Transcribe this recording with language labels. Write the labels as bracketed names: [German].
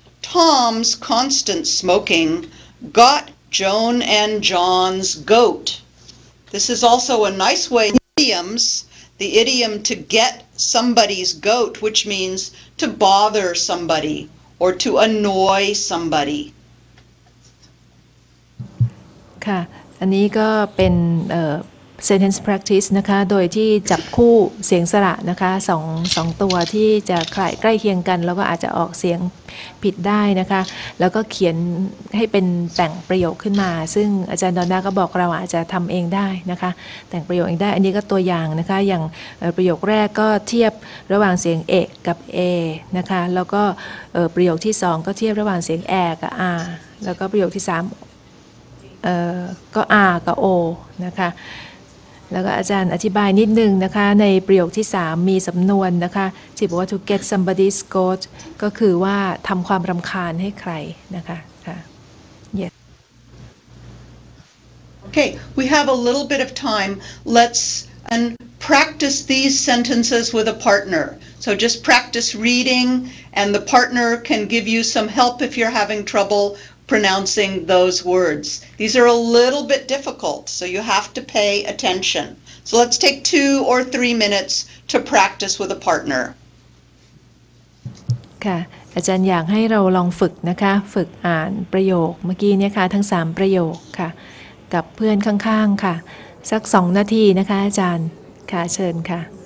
[English] Tom's constant smoking got Joan and John's goat. This is also a nice way, idioms, the idiom to get somebody's goat, which means to bother somebody or to annoy somebody. [Thai] ค่ะอันนี้ก็เป็น sentence practice นะคะโดยที่จับคู่เสียงสระนะคะ2ตัวที่จะใกล้เคียงกันแล้วก็อาจจะออกเสียงผิดได้นะคะแล้วก็เขียนให้เป็นแต่งประโยคขึ้นมาซึ่งอาจารย์ดอนน่าก็บอกเราอาจจะทำเองได้นะคะแต่งประโยคเองได้อันนี้ก็ตัวอย่างนะคะอย่างประโยคแรกก็เทียบระหว่างเสียงเอะกับเอนะคะแล้วก็ประโยคที่2ก็เทียบระหว่างเสียงแอกับอาแล้วก็ประโยคที่ 3ก็อากับโอนะคะแล้วก็อาจารย์อธิบายนิดนึงนะคะในประโยคที่3มีสำนวนนะคะที่บอกว่า [English] to get somebody's goat [Thai] ก็คือว่าทำความรำคาญให้ใครนะคะค่ะ [English] yes okay we have a little bit of time let's and practice these sentences with a partner so just practice reading and the partner can give you some help if you're having trouble pronouncing those words. These are a little bit difficult, so you have to pay attention. So let's take 2 or 3 minutes to practice with a partner. [Thai] ค่ะอาจารย์อยากให้เราลองฝึกนะคะฝึกอ่านประโยคเมื่อกี้เนี่ยค่ะทั้ง3ประโยคค่ะกับเพื่อนข้างๆค่ะสัก2นาทีนะคะอาจารย์ค่ะเชิญค่ะ